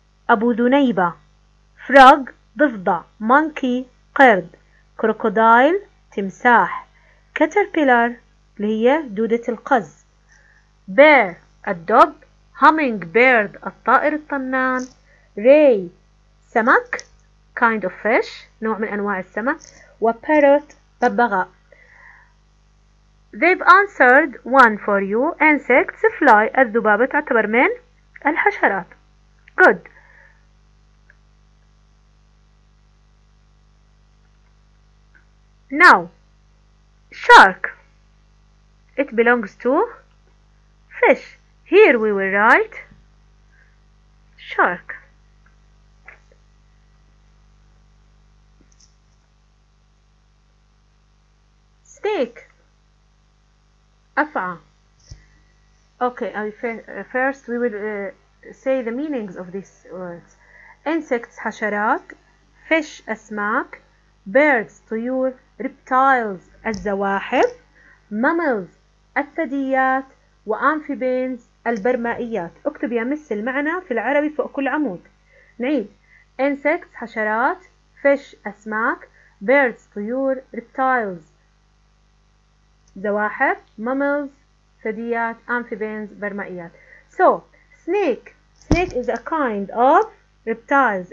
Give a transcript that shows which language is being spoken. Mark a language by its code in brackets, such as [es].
[ar] أبو ذنيبة, frog ضفدع, monkey قرد, crocodile تمساح, caterpillar اللي هي دودة القز, bear الدب, hummingbird الطائر الطنان, ray سمك [en] kind of fish [ar] نوع من أنواع السمك, و parrot ببغاء. [en] They've answered one for you. Insects fly. [ar] الذبابة تعتبر من الحشرات. [en] Good. Now, shark. It belongs to fish. Here we will write shark. Snake. أفعى. Okay, first we will say the meanings of these words. Insects, حشرات. Fish, أسماك. Birds, طيور. Reptiles, الزواحف. Mammals, الثدييات. [ar] وأمفيبينز, البرمائيات. اكتب يا مس المعنى في العربي فوق كل عمود. نعيد. [en] Insects, حشرات. Fish, أسماك. Birds, طيور. Reptiles, زواحف, mammals, ثدييات, amphibians, برمائيات. So, snake. Snake is a kind of reptiles.